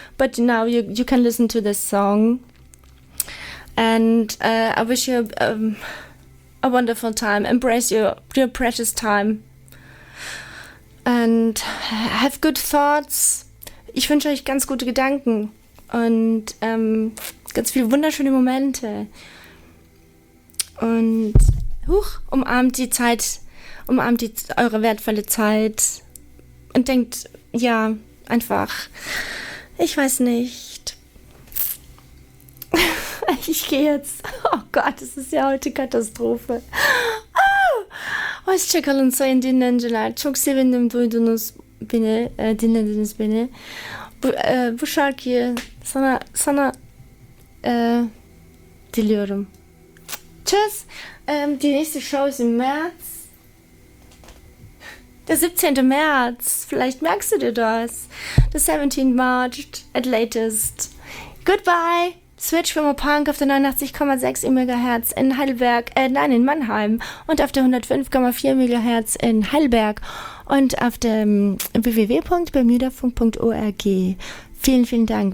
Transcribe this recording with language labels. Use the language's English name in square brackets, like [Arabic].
[English] But now you can listen to this song, and I wish you a wonderful time. Embrace your precious time, and have good thoughts. [German] Ich wünsche euch ganz gute Gedanken und ganz viele wunderschöne Momente. Und huch, umarmt die Zeit, umarmt die eure wertvolle Zeit und denkt, ja, einfach, ich weiß nicht. Ich gehe jetzt, oh Gott, es ist ja heute Katastrophe. [Turkish] Was çakalın sayın dinleyiciler, çok sevindim duydunuz beni, dinlediniz beni. Bu şarkıyı sana diliyorum. [German] Tschüss. Die nächste Show ist im März. Der 17. März. Vielleicht merkst du dir das. [English] The 17th March at latest. Goodbye. Switch from a Punk [German] auf der 89,6 MHz in Heidelberg, in Mannheim und auf der 105,4 MHz in Heidelberg und auf dem www.bermudafunk.org. Vielen, vielen Dank.